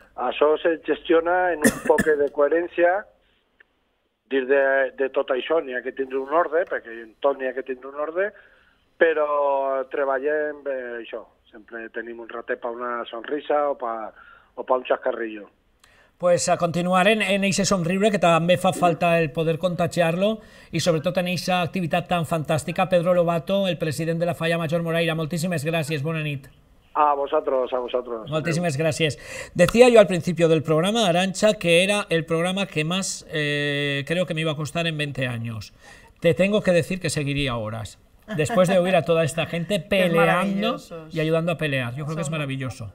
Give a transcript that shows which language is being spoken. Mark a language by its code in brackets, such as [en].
[es] Eso se gestiona en un poco de coherencia de todo eso, ni hay que tener un orden, porque en todo ni hay que tener un orden, pero [ca] treballem [es] eso, siempre tenemos un rato para una sonrisa o para un chascarrillo. Pues a continuar en ese [ca] sonriure, que també fa falta el poder contagiar-lo, i sobretot en aquesta activitat tan fantàstica. Pedro Lobato, el president de la Falla Major Moraira, moltíssimes gràcies, bona nit. [es] A vosotros. [ca] Moltíssimes gràcies. [es] Decía yo al principio del programa, Arantxa, que era el programa que más creo que me iba a costar en 20 años. Te tengo que decir que seguiría horas. Después de oír a toda esta gente peleando y ayudando a pelear. Yo creo que es maravilloso.